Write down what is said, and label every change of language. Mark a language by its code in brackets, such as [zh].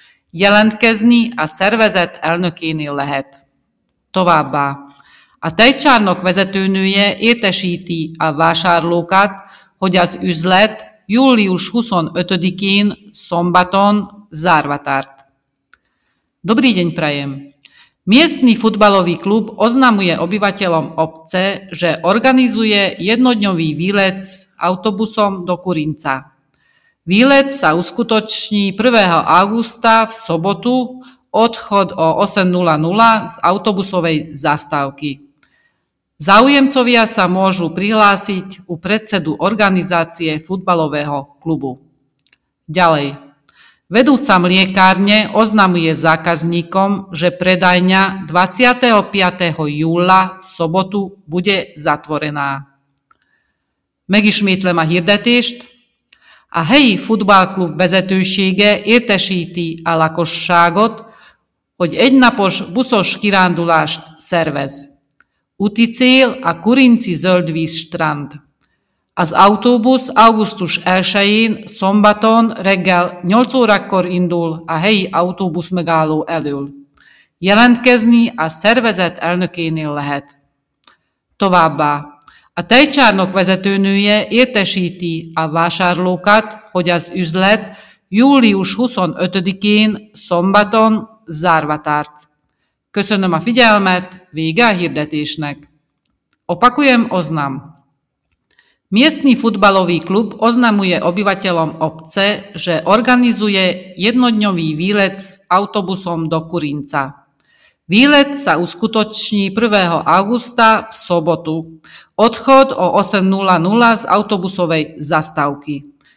[hu] Jelentkezni a szervezet elnökénél lehet. Továbbá. A tejcsárnok vezetőnője értesíti a vásárlókat, hogy az üzlet július 25-én szombaton zárva tart. [sk] Dobrý deň prajem. Miestny futbalový klub oznamuje obyvateľom obce, že organizuje jednodňový výlet s autobusom do Kurinca. Výlet sa uskutoční 1. augusta v sobotu, odchod o 8:00 z autobusovej zastávky. Záujemcovia sa môžu prihlásiť u predsedu organizácie futbalového klubu. Ďalej. Vedúca mliekárne oznamuje zákazníkom, že predajňa 25. júla v sobotu bude zatvorená. [hu] Megismétlem a hirdetést. A helyi futballklub vezetősége értesíti a lakosságot, hogy egynapos buszos kirándulást szervez. Úti cél a kurinci zöldvíz strand. Az autóbusz augusztus 1-én szombaton reggel 8 órakor indul a helyi autóbusz megálló elől. Jelentkezni a szervezet elnökénél lehet. Továbbá, a tejcsárnok vezetőnője értesíti a vásárlókat, hogy az üzlet július 25-én szombaton zárva tart. Köszönöm a figyelmet, vége a hirdetésnek. [sk] Opakujem oznam. Miestny futbalový klub oznamuje obyvateľom obce, že organizuje jednodňový výlet s autobusom do Kurinca. Výlet sa uskutoční 1. augusta v sobotu. Odchod o 8:00 z autobusovej zastávky.